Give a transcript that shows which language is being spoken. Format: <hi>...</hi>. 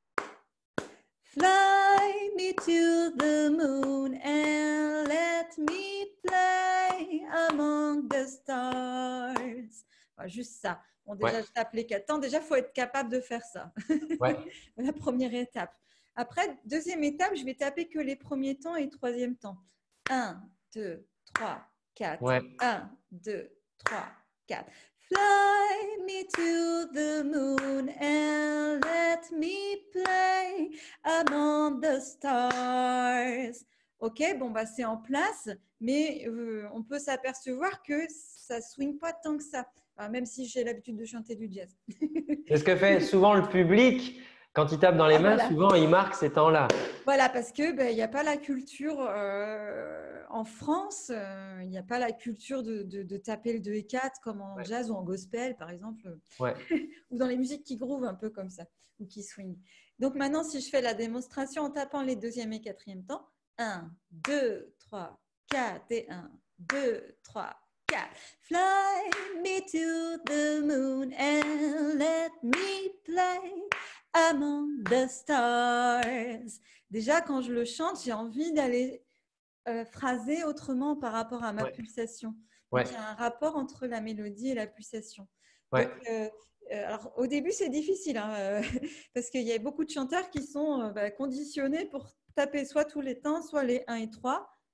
<en>« Fly me to the moon and let me play among the stars. »</en> <fr>Juste ça. Bon, déjà, je tape les quatre temps. Déjà, il faut être capable de faire ça. Ouais. La première étape. Après, deuxième étape, je vais taper que les premiers temps et troisième temps. 1, 2, 3, 4. 1, 2, 3, 4.</fr> <en>Fly me to the moon and let me play among the stars.</en> <fr>Ok, bon, c'est en place, mais on peut s'apercevoir que ça ne swing pas tant que ça, même si j'ai l'habitude de chanter du jazz. C'est ce que fait souvent le public quand il tape dans les mains, souvent il marque ces temps-là. Voilà, parce que il n'y a pas la culture en France, il n'y a pas la culture de taper le 2 et 4 comme en jazz ou en gospel, par exemple, ou dans les musiques qui groove un peu comme ça, ou qui swing. Donc maintenant, si je fais la démonstration en tapant les deuxième et quatrième temps, 1, 2, 3, 4 et 1, 2, 3, 4.</fr> <en>Fly me to the moon and let me play Among the stars.</en> <fr>Déjà, quand je le chante, j'ai envie d'aller phraser autrement par rapport à ma ouais. pulsation. Donc, ouais. il y a un rapport entre la mélodie et la pulsation. Ouais. Donc, alors, au début, c'est difficile, hein, parce qu'il y a beaucoup de chanteurs qui sont conditionnés pour taper soit tous les temps, soit les 1 et 3.</fr>